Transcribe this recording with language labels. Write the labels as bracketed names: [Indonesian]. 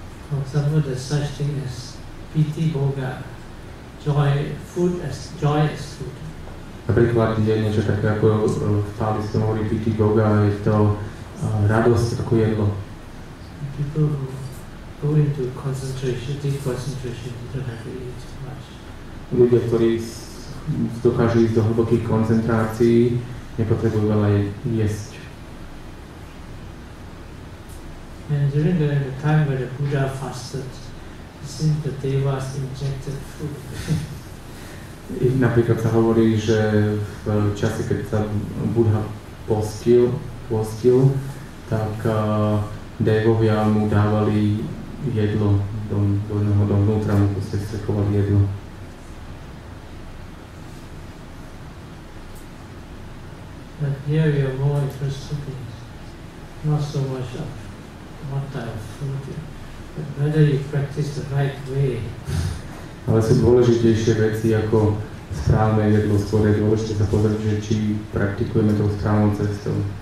[English] For example, there's such thing as piti bhoga, joy, food as joy as food. [Slovak] Napríklad je niečo také, ako v Pálistom hovorí piti bhoga, je to radosť ako jedlo. [English] People who go into concentration, deep concentration, you don't have to eat much. [Slovak] Ľudia, ktorí dokážu ísť do hlbokých koncentrácií, nepotrebujú veľa jesť. [English] And during the time when the Buddha fasted, it seems that they was injected food. [Slovak] Napríklad sa hovorí, že v čase, keď sa Buddha postil, tak dévovia mu dávali jedlo do jednoho dovnútra, mu proste strekovali jedlo. [English] But here you are more interested in not so much of what type of food, but whether you practice the right way. [Slovak] Ale sú dôležitejšie veci ako správne jedlo, skôr je dôležité sa pozrieť, že či praktikujeme tou správnou cestou.